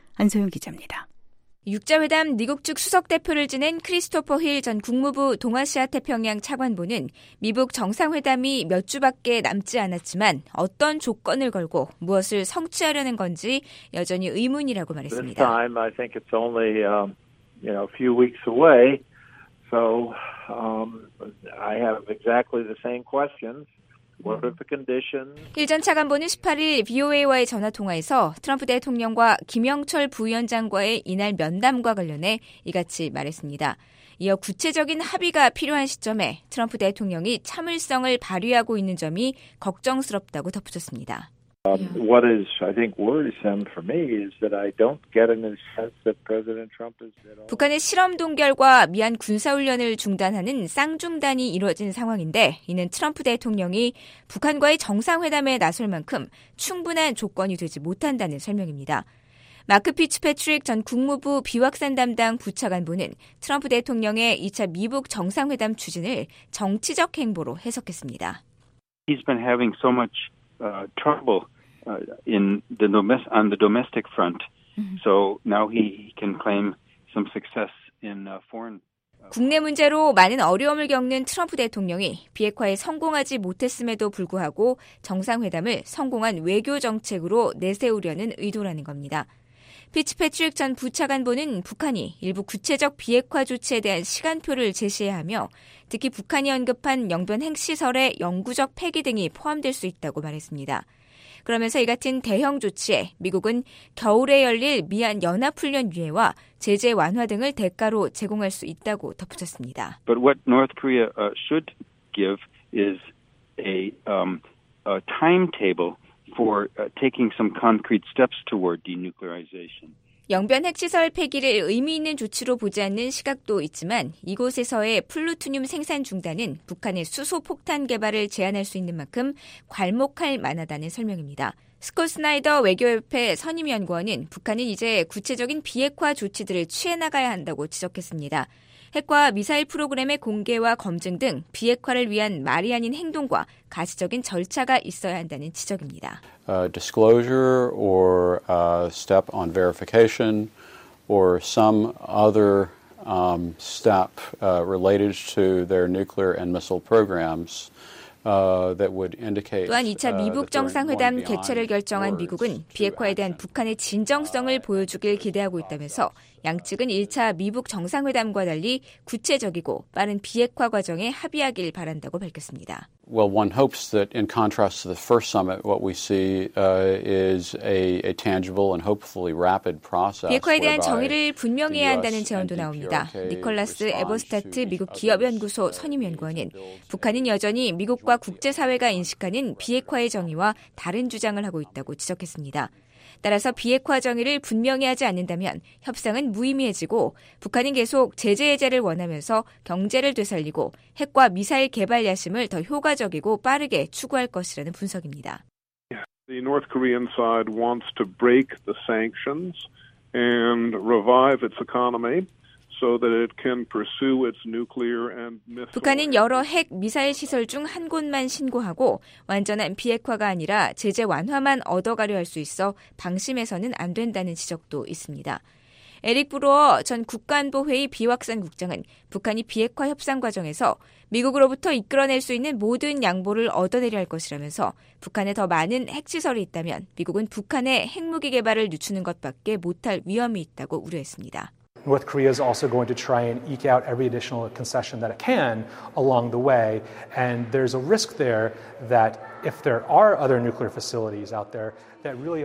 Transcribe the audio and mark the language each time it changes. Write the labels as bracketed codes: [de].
[ko] 안소영 기자입니다. 6자회담 미국 측 수석대표를 지낸 크리스토퍼 힐 전 국무부 동아시아태평양 차관보는 미북 정상회담이 몇 주밖에 남지 않았지만 어떤 조건을 걸고 무엇을 성취하려는 건지 여전히 의문이라고 말했습니다. [en] This time I think it's only a few weeks away. So I have exactly the same questions. What are the conditions? [ko] 힐 전 차관보는 18일 VOA와의 전화통화에서 트럼프 대통령과 김영철 부위원장과의 이날 면담과 관련해 이같이 말했습니다. 이어 구체적인 합의가 필요한 시점에 트럼프 대통령이 참을성을 발휘하고 있는 점이 걱정스럽다고 덧붙였습니다. [en] What is, I think, worrisome for me is that I don't get a sense that President Trump is at all. [ko] 북한의 실험 동결과 미한 군사훈련을 중단하는 쌍중단이 이루어진 상황인데 이는 트럼프 대통령이 북한과의 정상회담에 나설 만큼 충분한 조건이 되지 못한다는 설명입니다. 마크 피츠패트릭 전 국무부 비확산 담당 부차관보는 트럼프 대통령의 2차 미북 정상회담 추진을 정치적 행보로 해석했습니다. [en] He's been having so much trouble in the on the domestic front. So now he can claim some success in foreign. [ko] 국내 문제로 많은 어려움을 겪는 트럼프 대통령이 비핵화에 성공하지 못했음에도 불구하고 정상회담을 성공한 외교 정책으로 내세우려는 의도라는 겁니다. 피츠패트릭 전 부차관보는 북한이 일부 구체적 비핵화 조치에 대한 시간표를 제시해야 하며 특히 북한이 언급한 영변 핵시설의 영구적 폐기 등이 포함될 수 있다고 말했습니다. 그러면서 이 같은 대형 조치에 미국은 겨울에 열릴 미한 연합훈련 유예와 제재 완화 등을 대가로 제공할 수 있다고 덧붙였습니다. [en] But what North Korea should give is a timetable for taking some concrete steps toward denuclearization. [ko] 영변 핵시설 폐기를 의미 있는 조치로 보지 않는 시각도 있지만 이곳에서의 플루토늄 생산 중단은 북한의 수소 폭탄 개발을 제한할 수 있는 만큼 괄목할 만하다는 설명입니다. 스콧 스나이더 외교협회 선임 연구원은 북한은 이제 구체적인 비핵화 조치들을 취해 나가야 한다고 지적했습니다. 핵과 미사일 프로그램의 공개와 검증 등 비핵화를 위한 말이 아닌 행동과 가시적인 절차가 있어야 한다는 지적입니다. [en] Disclosure or a step on verification or some other step related to their nuclear and missile programs. That would indicate, [ko] 또한 2차 미북 정상회담 개최를 결정한 미국은 비핵화에 대한 북한의 진정성을 보여주길 기대하고 있다면서 양측은 1차 미북 정상회담과 달리 구체적이고 빠른 비핵화 과정에 합의하길 바란다고 밝혔습니다. [en] Well, one hopes that in contrast to the first summit, what we see is a tangible and hopefully rapid process. [ko] 비핵화에 대한 정의를 분명해야 한다는 제언도 나옵니다. 니콜라스 에버스타트 미국 기업연구소 선임연구원은 북한은 여전히 미국과 국제사회가 인식하는 비핵화의 정의와 다른 주장을 하고 있다고 지적했습니다. 따라서 비핵화 정의를 분명히 하지 않는다면 협상은 무의미해지고 북한은 계속 제재 해제를 원하면서 경제를 되살리고 핵과 미사일 개발 야심을 더 효과적이고 빠르게 추구할 것이라는 분석입니다. [en] The North Korean side wants to break the sanctions and revive its economy. So that it can pursue its nuclear and missile. [ko] 북한은 여러 핵 미사일 시설 중 한 곳만 신고하고 완전한 비핵화가 아니라 제재 완화만 얻어가려 할 수 있어 방심해서는 안 된다는 지적도 있습니다. 에릭 브로어 전 국가안보회의 비확산 국장은 북한이 비핵화 협상 과정에서 미국으로부터 이끌어낼 수 있는 모든 양보를 얻어내려 할 것이라면서 북한에 더 많은 핵시설이 있다면 미국은 북한의 핵무기 개발을 늦추는 것밖에 못할 위험이 있다고 우려했습니다. [en] North Korea is also going to try and eke out every additional concession that it can along the way, and there's a risk there that if there are other nuclear facilities out there that really.